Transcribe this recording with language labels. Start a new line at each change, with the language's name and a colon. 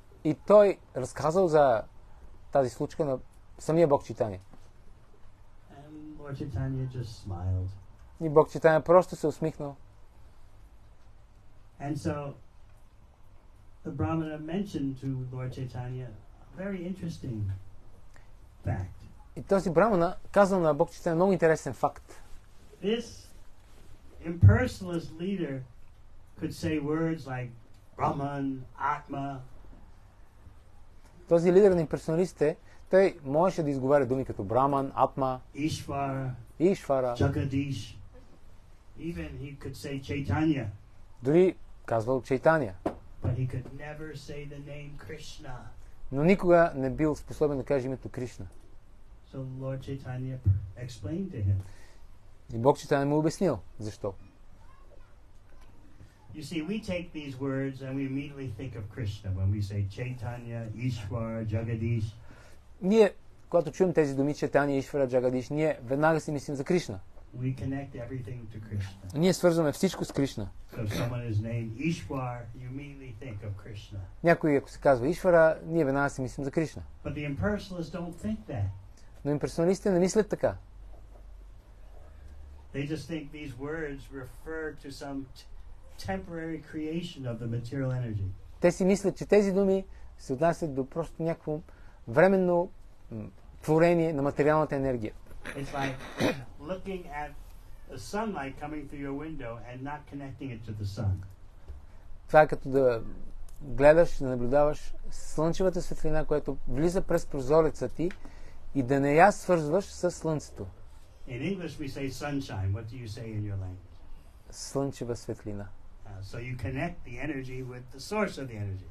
Bulgarian: И той разказал за тази случка на самия Бог Чайтанья.
English: And Lord Chaitanya just smiled.
Bulgarian: И Бог Чайтанья просто се усмихнал.
English: And so the Brahmana mentioned to Lord Chaitanya a very interesting fact.
Bulgarian: И този Брахмана казал на Бог Чайтанья много интересен факт.
English: This impersonalist leader could say words like Brahman, Atma.
Bulgarian: Този лидер на имперсоналистите, той можеше да изговаря думи като Брахман, Атма, Ишвара, Ишвара,
English: Джагадиш. Even he could say Chaitanya.
Bulgarian: Дори казвал Чайтанья.
English: But he could never say the name Krishna.
Bulgarian: Но никога не бил способен да каже името Кришна.
English: So Lord Chaitanya explained to him.
Bulgarian: И Бог Чайтанья му обяснил защо.
English: You see, we take these words and we immediately think of Krishna when we say Chaitanya, Ishwar, Jagadish.
Bulgarian: Ние, когато чуем тези думи Чайтанья, Ишвара, Джагадиш, ние веднага си мислим за Кришна.
English: We connect everything to Krishna.
Bulgarian: Ние свързваме всичко с Кришна.
English: So someone is named Ishwar, you immediately think of Krishna.
Bulgarian: Някой, ако се казва Ишвара, ние веднага си мислим за Кришна.
English: But the impersonalists don't think that.
Bulgarian: Но имперсоналистите не мислят така.
English: They just think these words refer to some temporary creation of the material energy.
Bulgarian: Те си мислят, че тези думи се отнасят до просто някакво временно творение на материалната енергия.
English: It's like looking at the sunlight coming through your window and not connecting it to the sun.
Bulgarian: Това е като да гледаш, да наблюдаваш слънчевата светлина, която влиза през прозореца ти и да не я свързваш с слънцето.
English: In English we say sunshine. What do you say in your language?
Bulgarian: Слънчева светлина.
English: So you connect the energy with the source of the energy.